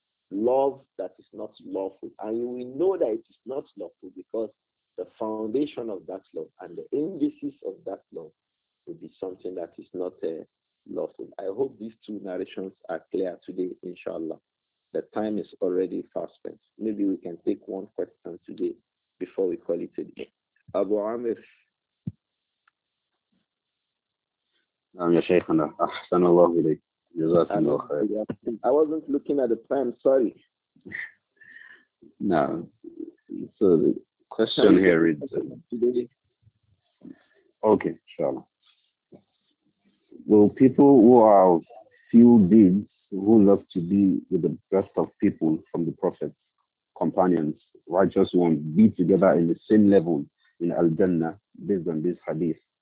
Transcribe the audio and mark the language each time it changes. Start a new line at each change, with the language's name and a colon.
English: Love that is not lawful. And we know that it is not lawful because the foundation of that love and the indices of that love will be something that is not lawful. I hope these two narrations are clear today, inshallah. The time is already far spent. Maybe we can take one question today before we call it a day. Abu Amir.
Arabic: نعم يا شيخنا أحسن الله إليك جزاك الله خير.
English: I wasn't looking at the time, sorry.
Arabic: نعم.
English: So the question here reads. Okay, inshallah. Will people who are few deeds who love to be with the best of people from the prophets, companions, righteous ones be together in the same level in Al-Jannah based on this hadith?